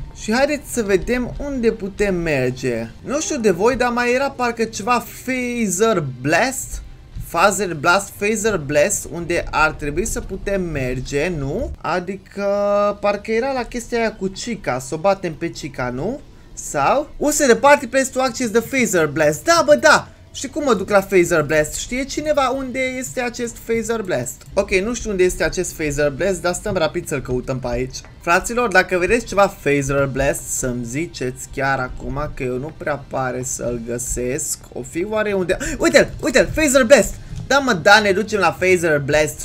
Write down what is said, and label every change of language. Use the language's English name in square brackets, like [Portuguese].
[Romanian] Și haideți să vedem unde putem merge. Nu știu de voi, dar mai era parcă ceva Phaser Blast? Phaser Blast, Phaser Blast, unde ar trebui să putem merge, nu? Adică, parcă era la chestia aia cu Chica, s-o batem pe Chica, nu? Sau? [English] Use the party pass to access the Phaser Blast. [Romanian] Da, bă, da! Și cum mă duc la Phaser Blast? Știe cineva unde este acest Phaser Blast? Ok, nu știu unde este acest Phaser Blast, dar stăm rapid să-l căutăm pe aici. Fraților, dacă vedeți ceva Phaser Blast, să-mi ziceți chiar acum, că eu nu prea pare să-l găsesc. O fi oare unde... Uite-l! Uite-l! Phaser Blast! Da, mă, da, ne ducem la Phaser Blast.